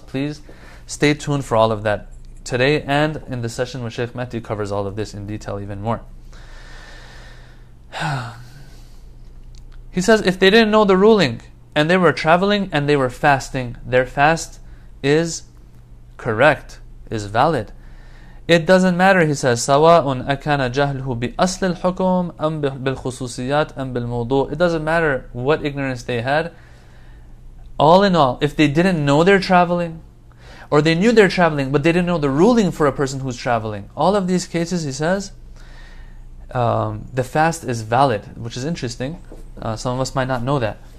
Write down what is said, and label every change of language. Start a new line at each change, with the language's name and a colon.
English: Please stay tuned for all of that today and in the session when Sheikh Mahdi covers all of this in detail even more. He says, if they didn't know the ruling, and they were traveling, and they were fasting, their fast is correct, is valid. It doesn't matter, he says,
Arabic: سَوَاءٌ أَكَانَ جَهْلُهُ بِأَصْلِ الْحُكُمْ أَمْ بِالْخُصُوصِيَاتِ أَمْ بِالْمُوضُوءِ.
English: It doesn't matter what ignorance they had. All in all, if they didn't know they're traveling, or they knew they're traveling, but they didn't know the ruling for a person who's traveling, all of these cases, he says, the fast is valid, which is interesting. Some of us might not know that.